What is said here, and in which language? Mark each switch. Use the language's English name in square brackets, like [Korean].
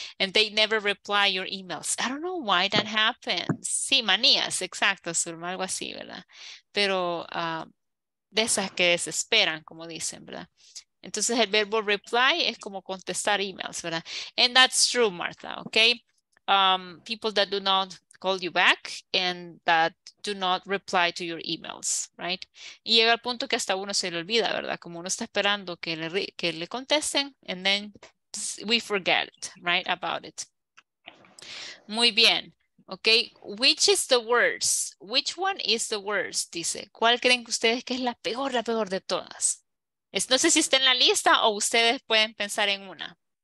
[English] And they never reply your emails. I don't know why that happens. [Spanish] Sí, manías, exacto, surma, algo así, ¿verdad? Pero de esas que desesperan, como dicen, ¿verdad? Entonces el verbo reply es como contestar emails, ¿verdad? [English] And that's true, Martha, okay? People that do not call you back and that do not reply to your emails, right? [Spanish] Y llega al punto que hasta uno se le olvida, ¿verdad? Como uno está esperando que le contesten, [English] and then we forget, right, about it. [Spanish] Muy bien, [English] okay. Which is the worst? Which one is the worst, dice? [Spanish] ¿Cuál creen ustedes que es la peor de todas? No sé si está en la lista o ustedes pueden pensar en una.